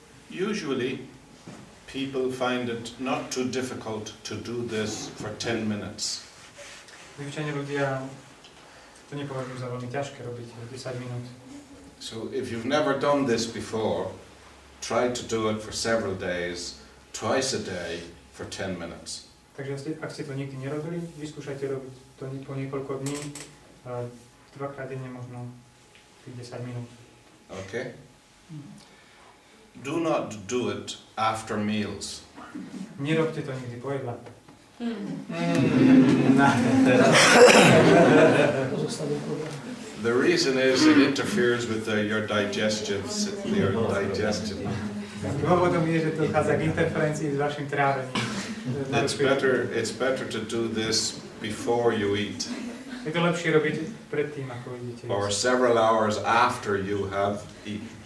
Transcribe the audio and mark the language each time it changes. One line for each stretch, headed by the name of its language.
English: Usually people find it not too difficult to do this for 10 minutes.
Slovak: Zvyčajne ľudia to nepovažujú za veľmi ťažké robiť 10 minút.
English: So if you've never done this before, try to do it for several days, twice a day for 10 minutes.
Slovak: Takže ak ste to nikdy nerobili, vyskúšajte robiť to po niekoľko dní, dvakrát denne možno 10 minút.
English: Okay. Do not do it after meals.
Slovak: Nerobte to nikdy po jedle.
English: The reason is it interferes with your digestive your digestion.
Slovak: Dôvodom je, že to chádza k interferencii s vašim trávením.
English: It's better to do this before you eat.
Slovak: Je to lepšie robiť predtým, ako idete.
English: Or several hours after you have eaten.